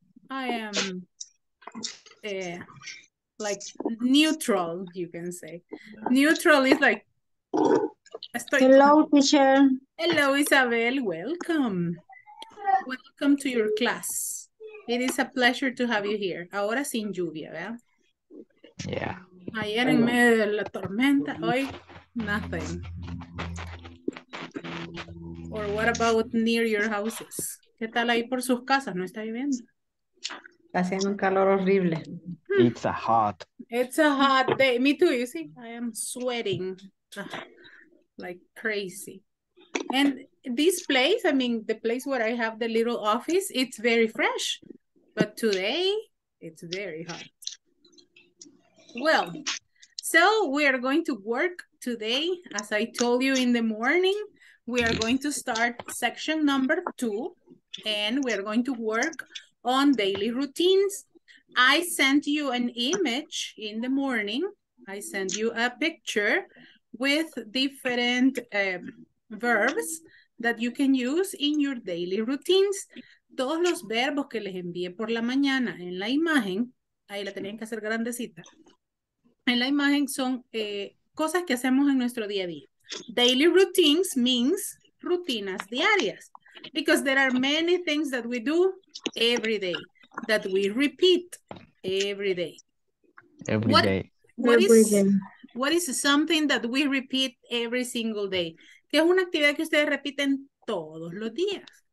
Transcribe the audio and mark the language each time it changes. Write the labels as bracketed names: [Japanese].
[English] I am like neutral, you can say. Neutral is like [Spanish] estoy con. [English] Hello, teacher. Hello, Isabel. Welcome. Welcome to your class. It is a pleasure to have you here. [Spanish] Ahora sin lluvia, ¿verdad? Ayer en medio de la tormenta, hoy nothing. [English] Or what about near your houses? [Spanish] ¿Qué tal ahí por sus casas? ¿No está lloviendo? Haciendo un calor horrible. [English] It's a hot. It's a hot day. Me too, you see? I am sweating. Like crazy. And this place, I mean, the place where I have the little office, it's very fresh. But today, it's very hot. Well, so we are going to work today. As I told you in the morning, we are going to start section number 2, and we are going to work on daily routines. I sent you an image in the morning. I sent you a picture with different verbs that you can use in your daily routines. [Spanish] Todos los verbos que les envié por la mañana en la imagen, ahí la tenían que hacer grandecita. En la imagen son cosas que hacemos en nuestro día a día. [English] Daily routines means [Spanish] rutinas diarias [English] because there are many things that we do every day that we repeat every day. Every What day. Every day. is something that we repeat every single day? [Spanish] ¿Qué es una actividad que ustedes repiten todos los días?